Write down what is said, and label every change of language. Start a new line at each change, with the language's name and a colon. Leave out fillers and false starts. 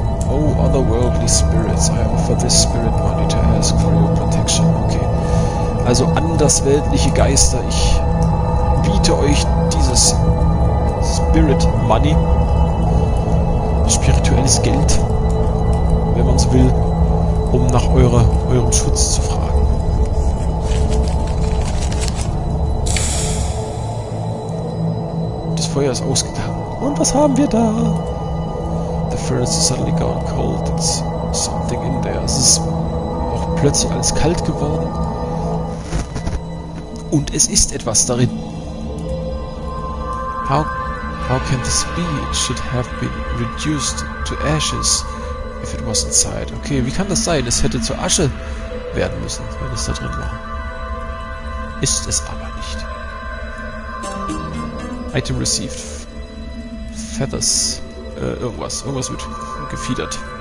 English: Otherworldly spirits, I offer this spirit money to ask for your protection. Okay.
German: Also andersweltliche Geister, ich biete euch dieses Spirit Money, spirituelles Geld, wenn man es will, um nach eurem Schutz zu fragen. Das Feuer ist ausgegangen. Und was haben wir da?
English: The furnace is suddenly gone cold. It's something in there.
German: Es ist auch plötzlich alles kalt geworden. Und es ist etwas darin.
English: How can this be? It should have been reduced to ashes if it was inside.
German: Okay, wie kann das sein? Es hätte zur Asche werden müssen, wenn es da drin war. Ist es aber nicht.
English: Item received. Feathers.
German: Irgendwas wird gefiedert.